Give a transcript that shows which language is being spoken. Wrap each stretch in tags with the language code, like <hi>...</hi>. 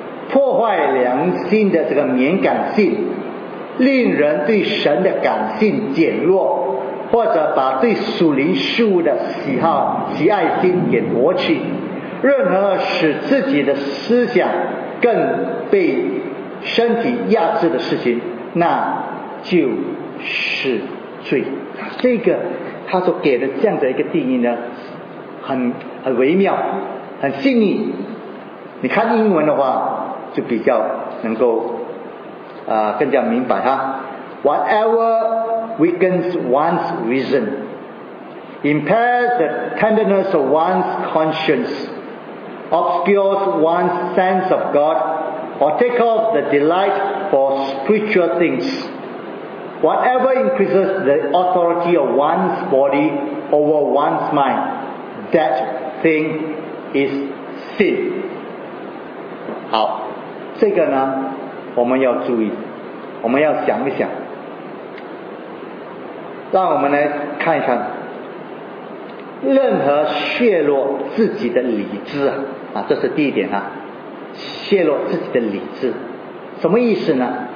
<zh>破坏良心的这个敏感性，令人对神的感性减弱，或者把对属灵事物的喜好、喜爱心给夺去，任何使自己的思想更被身体压制的事情，那就。” 是罪。这个他所给的这样的一个定义呢，很微妙，很细腻。你看英文的话就比较能够更加明白哈。</zh> <en>Whatever weakens one's reason, impairs the tenderness of one's conscience, obscures one's sense of God, or take off the delight for spiritual thingsWhatever increases the authority of one's body over one's mind, that thing is sin.</en> <zh>好，这个呢，我们要注意，我们要想一想。让我们来看一看，任何泄露自己的理智啊，这是第一点啊，泄露自己的理智，什么意思呢？</zh>